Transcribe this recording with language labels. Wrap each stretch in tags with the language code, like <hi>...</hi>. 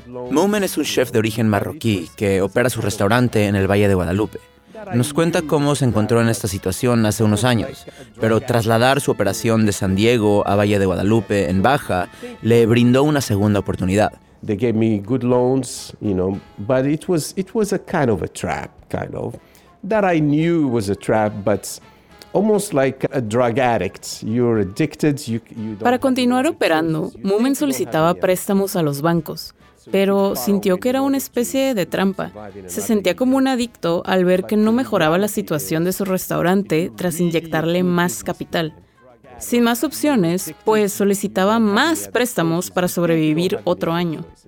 <es>Moomin es un chef de origen marroquí que opera su restaurante en el Valle de Guadalupe. Nos cuenta cómo se encontró en esta situación hace unos años, pero trasladar su operación de San Diego a Valle de Guadalupe en Baja le brindó una segunda oportunidad.</es> <en>They gave me good loans, you know, but it was a kind of a trap, kind of, that I knew was a trap, but almost like a drug addict. You're addicted.</en> <es>Para continuar operando, Moomin solicitaba préstamos a los bancos, pero sintió que era una especie de trampa. Se sentía como un adicto al ver que no mejoraba la situación de su restaurante tras inyectarle más capital. Sin más opciones, pues solicitaba más préstamos para sobrevivir otro año.</es>